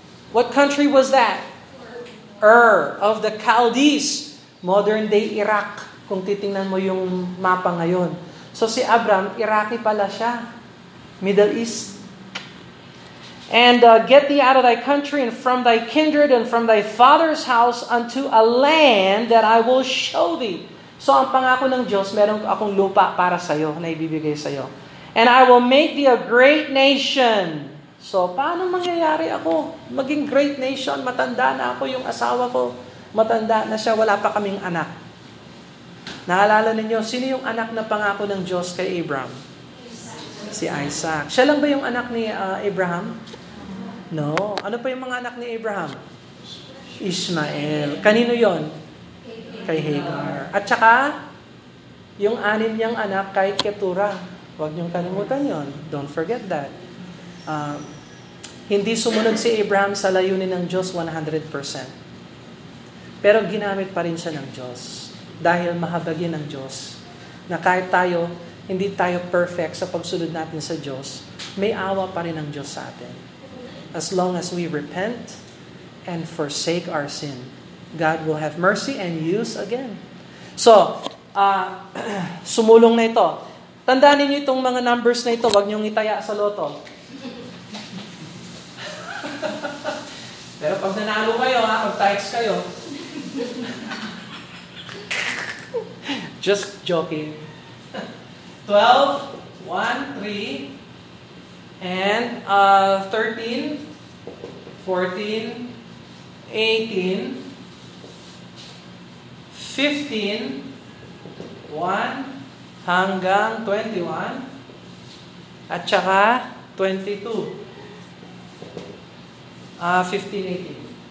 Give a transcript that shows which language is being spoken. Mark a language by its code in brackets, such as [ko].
[en] What country was that? Ur of the Chaldees, modern day Iraq, [tl] kung titingnan mo yung mapa ngayon. So si Abram, Iraqi pala siya, Middle East. [en] And get thee out of thy country and from thy kindred and from thy father's house unto a land that I will show thee. [tl] So ang pangako ng Diyos, meron akong lupa para sa'yo, na ibibigay sa'yo. [en] And I will make thee a great nation. [tl] So paano mangyayari ako maging great nation? Matanda na ako, yung asawa ko matanda na siya, wala pa kaming anak. Naalala ninyo, sino yung anak na pangako ng Diyos kay Abraham? Si Isaac. Siya lang ba yung anak ni Abraham? No. Ano pa yung mga anak ni Abraham? Ishmael. Kanino yon? Kay Hagar. At saka, yung anim niyang anak kay Keturah. Huwag niyong kalimutan yon. [en] Don't forget that. [tl] Hindi sumunod si Abraham sa layunin ng Diyos 100%. Pero ginamit pa rin siya ng Diyos. Dahil mahabagi ng Diyos. Na kahit tayo, hindi tayo perfect sa pagsunod natin sa Diyos, may awa pa rin ang Diyos sa atin. [en] As long as we repent and forsake our sin, God will have mercy and use again. [tl] So, sumulong na ito. Tandaan ninyo itong mga numbers na ito. Huwag niyong itaya sa loto. Pero pag nanalo kayo, ha, pag tights kayo. [en] Just joking. 12, 1, 3, and 13, 14, 18, 15, 1, hanggang 21, at saka 22, 15, 18.